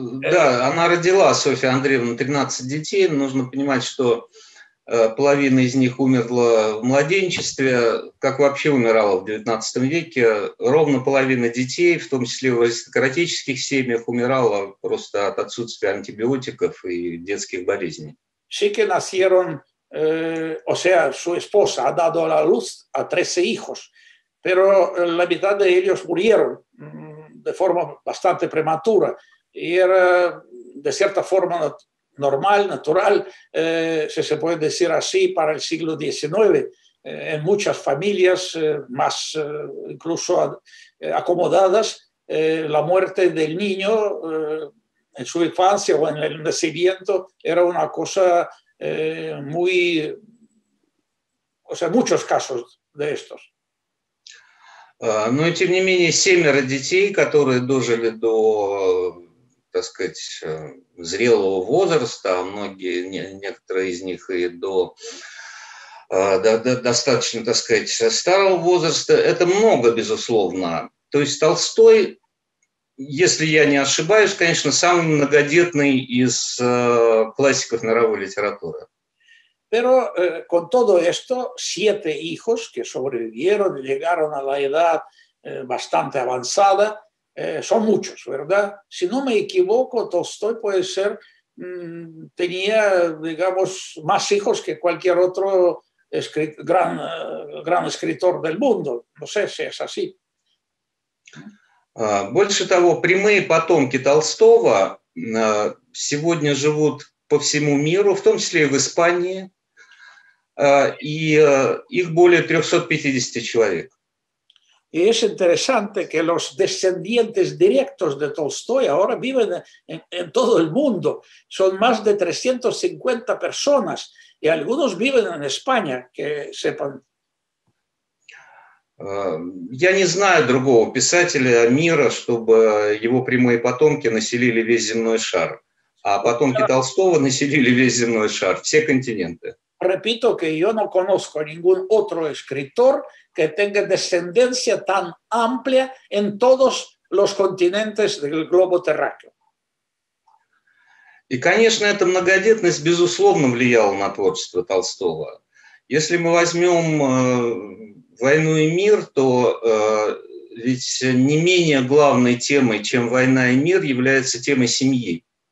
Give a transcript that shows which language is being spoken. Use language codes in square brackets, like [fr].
[ru] Да, она родила, Софья Андреевна, 13 детей. Нужно понимать, что половина из них умерла в младенчестве, как вообще умирала в XIX веке. Ровно половина детей, в том числе в аристократических семьях, умирала просто от отсутствия антибиотиков и детских болезней. [es] Sí que nacieron, o sea, su esposa ha dado la luz a 13 hijos, pero la mitad de ellos murieron de forma bastante prematura. ir de cierta forma normal, natural, si se puede decir así, para el siglo XIX, en muchas familias más incluso acomodadas, la muerte del niño en su infancia o en el nacimiento era una cosa muy, o sea, muchos casos de estos. [ru] Но, тем не менее, семеро детей, которые дожили до, так сказать, зрелого возраста, а многие, некоторые из них и до достаточно, так сказать, старого возраста, это много, безусловно. То есть Толстой, если я не ошибаюсь, конечно, самый многодетный из классиков мировой литературы. [es] Pero con todo esto, siete hijos que sobrevivieron y llegaron a la edad bastante avanzada, son muchos, ¿verdad? Si no me equivoco, Tolstoy puede ser, tenía, digamos, más hijos que cualquier otro gran escritor del mundo. No sé si es así. [ru] Больше того, прямые потомки Толстого сегодня живут по всему миру, в том числе и в Испании. Y их более 350 человек. [es] Y es interesante que los descendientes directos de Tolstoy ahora viven en todo el mundo. Son más de 350 personas y algunos viven en España, que sepan. [ru] Я не знаю другого писателя мира, чтобы его прямые потомки населили весь земной шар. А потомки Толстого населили весь земной шар, все континенты. [es] Repito que yo no conozco ningún otro escritor que tenga descendencia tan amplia en todos los continentes del globo terráqueo. [ru] Y, конечно, эта многодетность, безусловно, влияла на творчество Толстого. Если мы возьмем «Войну и мир», то ведь не менее главной темой, чем «Война и мир», является тема семьи.